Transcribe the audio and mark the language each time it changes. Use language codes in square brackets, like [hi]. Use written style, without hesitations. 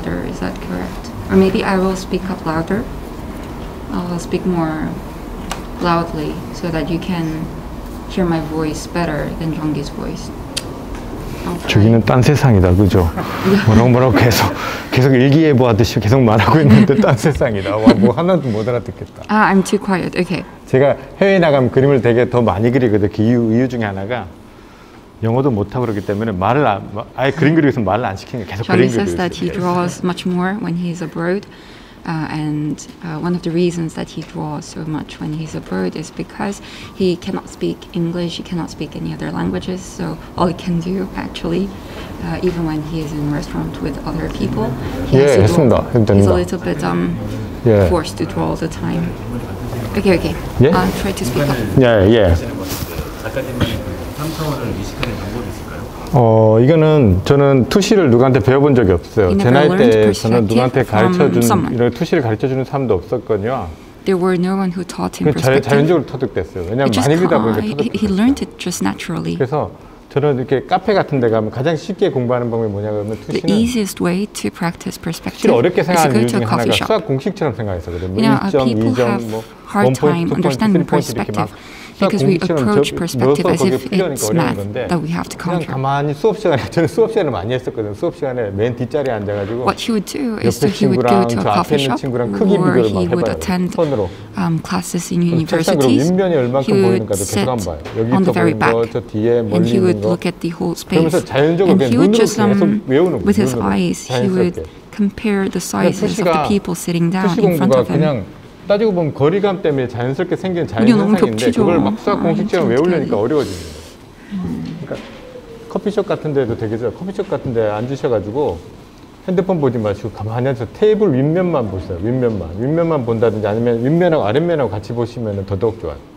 [en] I understand. Pina, that's why I try to talk when Zhonggi is not talking, but it's a bit complicated because Zhonggi is also receiving questions from the audiences, so sometimes there might be a moment where they would just keep talking and I have to make myself quiet. I think that would be the best. I'm a little bit louder, is that correct? Or maybe I will speak up louder. I'll speak more loudly so that you can hear my voice better than Zhonggi's voice. [ko] 저기는 딴 세상이다, 그죠? 뭐라고 계속 일기예보하듯이 계속 말하고 있는데 딴 세상이다. 와, 뭐 하나도 못 알아듣겠다. [en] I'm too quiet. Okay. [ko] 제가 해외 나가면 그림을 되게 더 많이 그리거든요. 그 이유 중에 하나가 영어도 못하고 그러기 때문에 말을 안, 아예 그림 그리고서 말을 안 시키는 게 계속 Johnny 그림 그리고 있어요. [en] Johnny says that he draws much more when he is abroad. And one of the reasons that he draws so much when he's abroad is because he cannot speak English, he cannot speak any other languages, so all he can do actually, even when he is in restaurant with other people, he has to draw. He's a little bit forced to draw all the time. Okay, okay. Yeah? I'll try to speak up. Yeah, yeah. [ko] 이거는 저는 투시를 누구한테 배워본 적이 없어요. 제 나이 때에서는 누구한테 가르쳐준 이런 투시를 가르쳐주는 사람도 없었거든요. [en] There were no one who taught him perspective. [ko] 자연적으로 터득됐어요. 왜냐하면 많이 읽다 보니까 터득됐어요. [en] He learned it just naturally. [ko] 그래서 저는 이렇게 카페 같은 데 가면 가장 쉽게 공부하는 방법이 뭐냐 그러면 투시는 [en] The easiest way to practice perspective [ko] 어렵게 생각하는 이유 중에 하나가 수학 공식처럼 생각해서 그래요. 뭐 2점, 2점, 뭐 [en] hard time understanding perspective. Because we approach perspective as if it's math that we have to conquer. [ko] 그냥 가만히 수업 시간에 저는 수업 시간을 많이 했었거든요. 수업 시간에 맨 뒷자리에 앉아가지고. [en] What he would do is that he would go to a coffee shop, or he would attend classes in universities. He would sit on the very back, and he would look at the whole space. And he would just with his eyes, he would compare the sizes of the people sitting down in front of him. [ko] 따지고 보면 거리감 때문에 자연스럽게 생긴 자연현상인데 그걸 막 수학 공식처럼 외우려니까 어려워지는 거예요. 그러니까 커피숍 같은 데도 되겠죠. 커피숍 같은 데 앉으셔가지고 핸드폰 보지 마시고 가만히 앉아서 테이블 윗면만 보세요. 윗면만. 윗면만 본다든지 아니면 윗면하고 아랫면하고 같이 보시면 더더욱 좋아요.